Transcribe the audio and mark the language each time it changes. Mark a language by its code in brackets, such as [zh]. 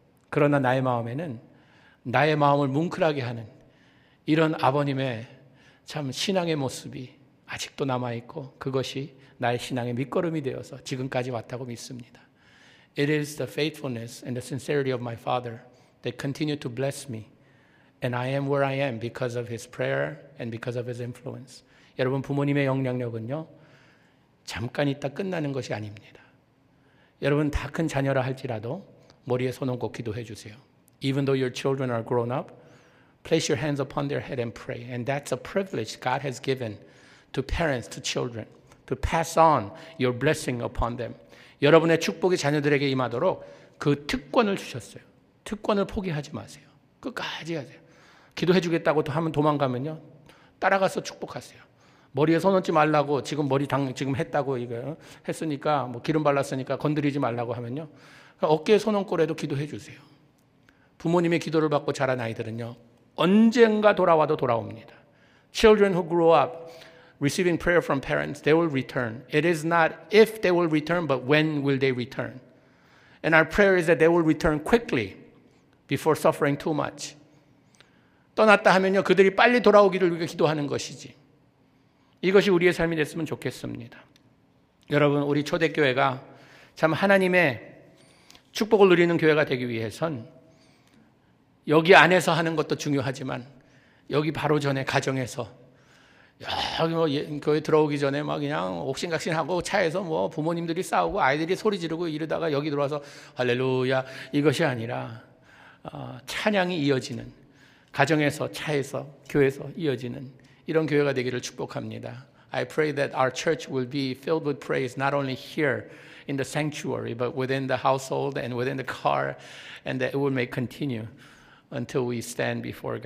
[ko] 그러나 나의 마음에는 나의 마음을 뭉클하게 하는 이런 아버님의 참 신앙의 모습이 아직도 남아있고 그것이 나의 신앙의 밑거름이 되어서 지금까지 왔다고 믿습니다. [en] It is the faithfulness and the sincerity of my father that continue to bless me. And I am where I am because of his prayer and because of his influence. [ko] 여러분, 부모님의 영향력은요, 잠깐 있다 끝나는 것이 아닙니다. 여러분, 다 큰 자녀라 할지라도 머리에 손 얹고 기도해 주세요. [en] Even though your children are grown up, place your hands upon their head and pray. And that's a privilege God has given to parents, to children, to pass on your blessing upon them. [ko] 여러분의 축복이 자녀들에게 임하도록 그 특권을 주셨어요. 특권을 포기하지 마세요. 끝까지 하세요. 기도해 주겠다고 또 하면 도망가면요. 따라가서 축복하세요. 머리에 손 얹지 말라고 지금 머리 지금 했다고 이거 했으니까 뭐 기름 발랐으니까 건드리지 말라고 하면요. 어깨에 손 얹고라도 기도해 주세요. 부모님의 기도를 받고 자란 아이들은요. 언젠가 돌아와도 돌아옵니다. [en] Children who grow up receiving prayer from parents, they will return. It is not if they will return, but when will they return? And our prayer is that they will return quickly before suffering too much. [ko] 떠났다 하면요, 그들이 빨리 돌아오기를 우리가 기도하는 것이지. 이것이 우리의 삶이 됐으면 좋겠습니다. 여러분, 우리 초대교회가 참 하나님의 축복을 누리는 교회가 되기 위해선 여기 안에서 하는 것도 중요하지만 여기 바로 전에 가정에서 여기 뭐 교회 들어오기 전에 막 그냥 옥신각신하고 차에서 뭐 부모님들이 싸우고 아이들이 소리 지르고 이러다가 여기 들어와서 할렐루야 이것이 아니라 찬양이 이어지는 가정에서 차에서 교회에서 이어지는 이런 교회가 되기를 축복합니다. [en] I pray that our church will be filled with praise not only here in the sanctuary but within the household and within the car and that it will may continue until we stand before God.